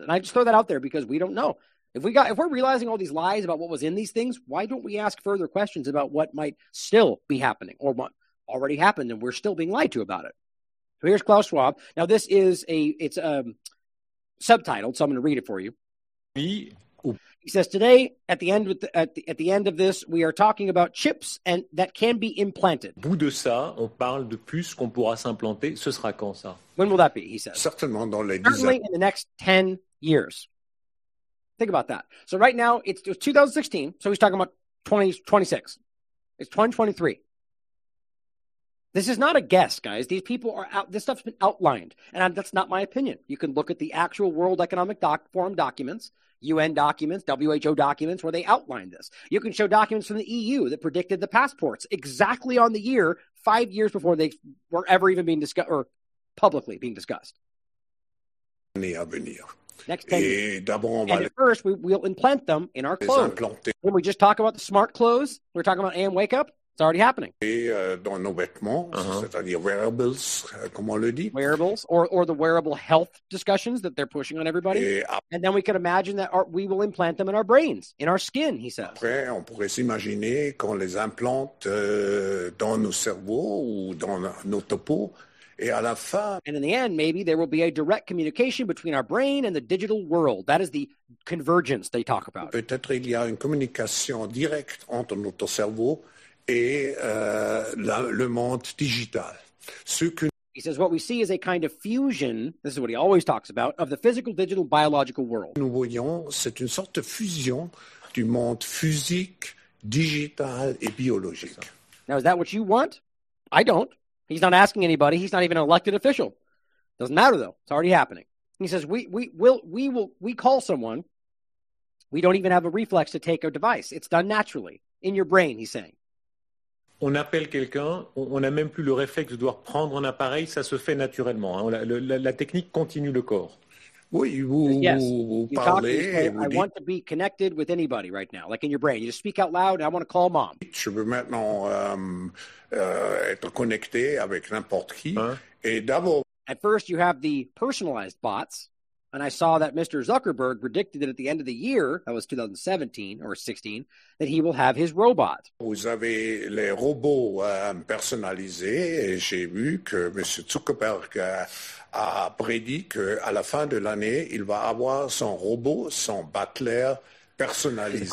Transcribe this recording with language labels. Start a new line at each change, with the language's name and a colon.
English: And I just throw that out there because we don't know. If we're realizing all these lies about what was in these things, why don't we ask further questions about what might still be happening or what already happened and we're still being lied to about it? So here's Klaus Schwab. Now, this is subtitled, so I'm going to read it for you. He says, today, at the end of this, we are talking about chips and that can be implanted.
French: Bout de ça, on parle de puces qu'on pourra s'implanter. Ce sera quand ça?
English: When will that be, he says.
French: Certainement dans les
English: 10 years. In the next 10 years. Think about that. So right now, it's 2016, so he's talking about 2026. It's 2023. This is not a guess, guys. These people are out. This stuff's been outlined, and that's not my opinion. You can look at the actual World Economic Forum documents, UN documents, WHO documents, where they outline this. You can show documents from the EU that predicted the passports exactly on the year, 5 years before they were ever even being discussed or publicly being discussed. Next 10 years. And at first, we'll implant them in our clothes. When we just talk about the smart clothes, we're talking about AM Wake Up, it's already happening.
French: Dans nos vêtements, c'est-à-dire wearables, comme on le dit.
English: Wearables, or the wearable health discussions that they're pushing on everybody. And then we could imagine that we will implant them in our brains, in our skin, he says.
French: Après, on pourrait s'imaginer qu'on les implante dans nos cerveaux ou dans notre peau. Et à la fin,
English: and in the end, maybe there will be a direct communication between our brain and the digital world. That is the convergence they talk about.
French: Peut-être il y a une communication directe entre notre cerveau et le monde digital.
English: He says what we see is a kind of fusion. This is what he always talks about of the physical, digital, biological world.
French: Nous voyons, c'est une sorte de fusion du monde physique, digital et biologique.
English: Now, is that what you want? I don't. He's not asking anybody. He's not even an elected official. Doesn't matter, though. It's already happening. He says, we call someone. We don't even have a reflex to take a device. It's done naturally. In your brain, he's saying.
French: On appelle quelqu'un. On n'a même plus le réflexe de devoir prendre un appareil. Ça se fait naturellement. Hein. La technique continue le corps. Oui, vous parlez.
English: I want to be connected with anybody right now, like in your brain. You just speak out loud, and I want to call mom.
French: Je veux maintenant être connecté avec n'importe qui. Hein? Et d'abord.
English: At first, you have the personalized bots, and I saw that Mr. Zuckerberg predicted that at the end of the year, that was 2017 or 16, that he will have his robot.
French: Vous avez les robots personnalisés, et j'ai vu que M. Zuckerberg a prédit qu'à la fin de l'année, il va avoir son robot, son butler personnalisé.